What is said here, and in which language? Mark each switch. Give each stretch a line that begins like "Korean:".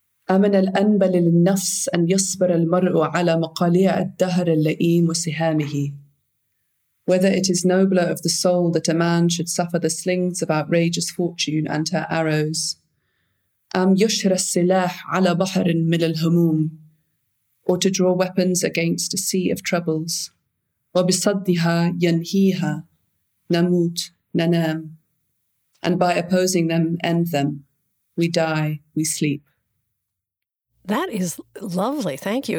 Arabic: أمن الأنبل للنفس أن يصبر المرء على مقاليع الدهر اللئيم وسهامه.
English: Whether it is nobler of the soul that a man should suffer the slings of outrageous fortune and her arrows.
Arabic: أم يشهر السلاح على بحر من الهموم.
English: Or to draw weapons against a sea of troubles.
Arabic: وبصدها ينهيها نموت ننام.
English: And by opposing them, end them. We die, we sleep. That is lovely. Thank you.